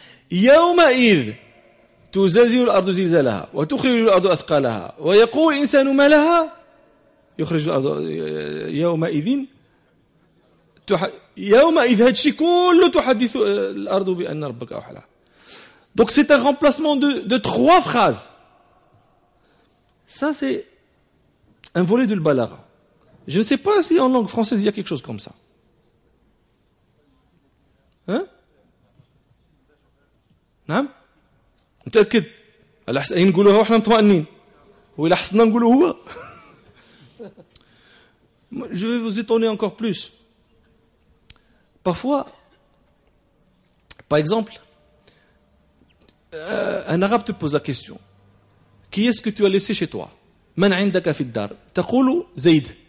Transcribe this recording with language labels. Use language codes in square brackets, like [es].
[ar] يومئذ تزلزل الأرض زلزالها وتخرج الأرض أثقالها ويقول الإنسان ما لها يخرج الأرض يومئذ يومئذ هذا الشيء كله تحدث الأرض بأن ربك أوحى لها. [fr] Donc c'est un remplacement de trois phrases. Ça c'est un volet de l'balagha. Je ne sais pas si en langue française il y a quelque chose comme ça. Hein? [ar] نعم؟ متأكد؟ الأحسن نقوله وإحنا مطمئنين. والأحسن نقوله هو. [fr] Je vais vous étonner encore plus. Parfois, par exemple, un arabe te pose la question. Qui est-ce que tu as laissé chez toi? [ar] من عندك في الدار؟ تقول زيد.